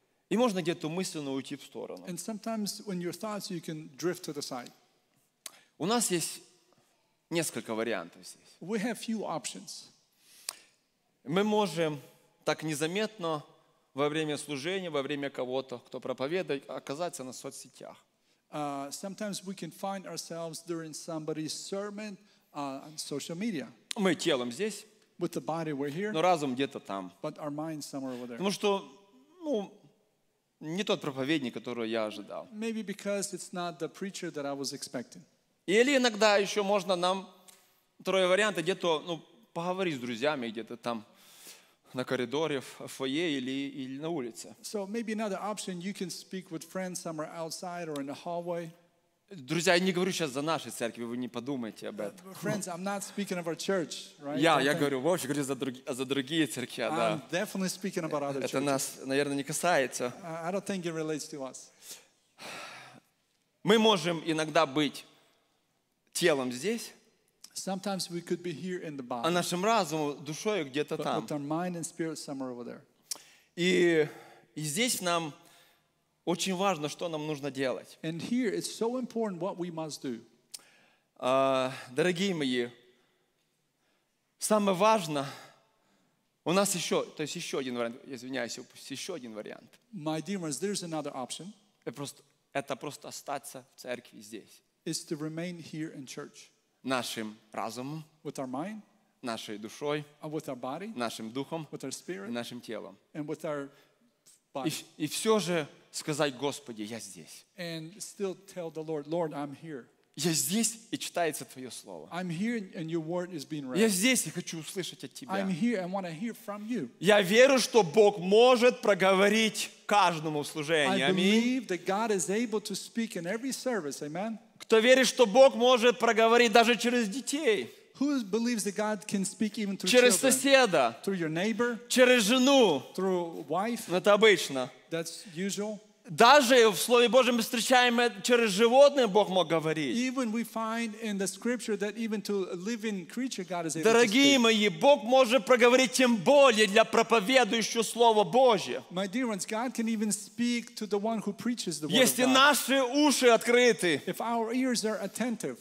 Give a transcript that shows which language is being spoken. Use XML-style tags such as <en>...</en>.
<ru>И можно где-то мысленно уйти в сторону.</ru> <en>And sometimes when your thoughts, you can drift to the side.</en> <ru>У нас есть несколько вариантов здесь.</ru> <en>We have few options.</en> <ru>Мы можем так незаметно во время служения, во время кого-то, кто проповедует, оказаться на соцсетях.</ru> <en>Sometimes we can find ourselves during somebody's sermon on social media.</en> <ru>Мы телом здесь.</ru> <en>With the body we're here.</en> <ru>Но разум где-то там.</ru> <en>But our mind's somewhere over there.</en> <ru>Потому что, ну, не тот проповедник, которого я ожидал.</ru> <en>Maybe because it's not the preacher that I was expecting.</en> <ru>Или иногда еще можно нам второй вариант, где-то, ну, поговорить с друзьями где-то там на коридоре, в фойе или на улице.</ru> <en>So maybe another option, you can speak with friends somewhere outside or in the hallway.</en> <ru>Друзья, я не говорю сейчас за нашей церкви, вы не подумайте об этом.</ru> <en>Friends, I'm not speaking of our church, right?</en> <ru>Я говорю, вообще говорю за другие церкви,</ru> <en>I'm</en> <ru>да.</ru> <en>I'm definitely speaking about other churches.</en> <ru>Это нас, наверное, не касается.</ru> <en>I don't think it relates to us.</en> <ru>Мы можем иногда быть телом здесь.</ru> <en>Sometimes we could be here in the body.</en> <ru>А нашим разумом, душой где-то</ru> <en>but,</en> <ru>там.</ru> <en>But our mind and spirit somewhere over there.</en> <ru>И здесь нам очень важно, что нам нужно делать.</ru> <en>And here it's so important what we must do.</en> <ru>Дорогие мои, самое важное, у нас еще, то есть еще один вариант, извиняюсь, еще один вариант.</ru> <en>My dear ones, there's another option.</en> <ru>Это просто остаться в церкви здесь.</ru> <en>It's to remain here in church.</en> <ru>Нашим разумом.</ru> <en>With our mind.</en> <ru>Нашей душой.</ru> <en>With our body.</en> <ru>Нашим духом.</ru> <en>With our spirit.</en> <ru>И нашим телом.</ru> <en>And with our body.</en> <ru>И все же сказать: Господи, я здесь.</ru> <en>And still tell the Lord, Lord, I'm here.</en> <ru>Я здесь, и читается Твое Слово.</ru> <en>I'm here and your word is being read.</en> <ru>Я здесь, и хочу услышать от Тебя.</ru> <en>I'm here and want to hear from you.</en> <ru>Я верю, что Бог может проговорить каждому в служении. Аминь.</ru> <en>I believe that God is able to speak in every service. Amen.</en> <ru>Кто верит, что Бог может проговорить даже через детей?</ru> <en>Who believes that God can speak even through</en> <ru>через</ru> <en>children?</en> <ru>Соседа.</ru> <en>Through your neighbor.</en> <ru>Через жену.</ru> <en>Through wife.</en> <ru>Это обычно.</ru> <en>That's usual.</en> <ru>Даже в Слове Божьем мы встречаем, через животное Бог мог говорить.</ru> <en>Even we find in the scripture that even to a living creature God is able.</en> <ru>Дорогие мои, Бог может проговорить тем более для проповедующего Слово Божье.</ru> <en>My dear ones, God can even speak to the one who preaches the word.</en> <ru>Если наши уши открыты,</ru> <en>if our ears are attentive,</en>